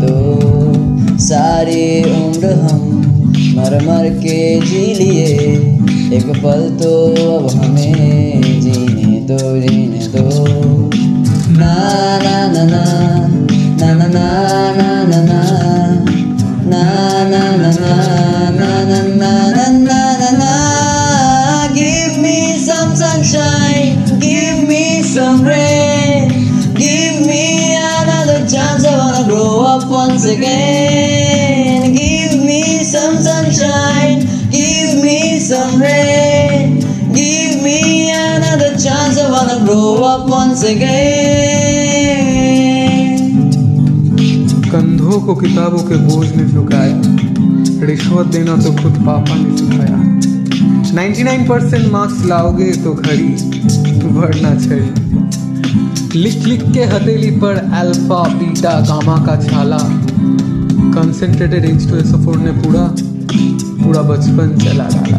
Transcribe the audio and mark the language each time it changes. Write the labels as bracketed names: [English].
[Hindi] सारे उम्र हम मर मर के जी लिए, एक पल तो अब हमें जीने दो जीने दो। ना ना ना ना ना ना ना ना ना ना ना ना ना ना ना ना ना ना ना ना ना ना ना। [English] Give me some sunshine, give me some rain, give me another chance, I wanna grow up once again. Give me some sunshine, give me some rain, give me another chance, I wanna grow up once again. [Hindi] कंधों को किताबों के बोझ ने झुकाया, रिश्वत देना तो खुद पापा ने सिखाया। 99% मार्क्स लाओगे तो खड़ी वरना छड़ी। लिख लिख के हथेली पर अल्फा बीटा गामा का छाला, कंसेंट्रेटेड एज टू सफोर ने पूरा पूरा बचपन चला डाला।